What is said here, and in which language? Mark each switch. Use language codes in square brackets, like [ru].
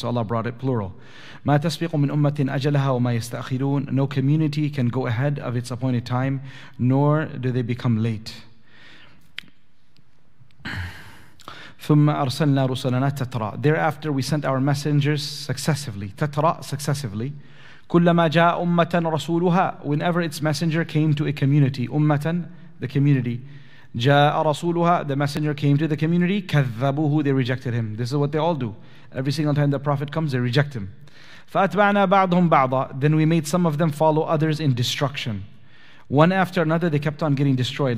[en] So Allah brought it plural. [ar] مَا تَسْبِقُ مِنْ أُمَّةٍ أَجَلَهَا وَمَا يَسْتَأْخِرُونَ. [en] No community can go ahead of its appointed time, nor do they become late. [ar] ثُمَّ أَرْسَلْنَا رُسَلَنَا تَتْرَى. [en] Thereafter we sent our messengers successively. تَتْرَى, successively. [ar] كُلَّمَا جَاءَ أُمَّةً رَسُولُهَا. [en] Whenever its messenger came to a community. أُمَّةً, the community. [ar] جَاءَ رَسُولُهَا, [en] the messenger came to the community. كَذَّبُوهُ, they rejected him. This is what they all do. Every single time the prophet comes, they reject him. [ar] فَأَتْبَعْنَا بَعْضُهُمْ بَعْضًا. [en] Then we made some of them follow others in destruction. One after another, they kept on getting destroyed.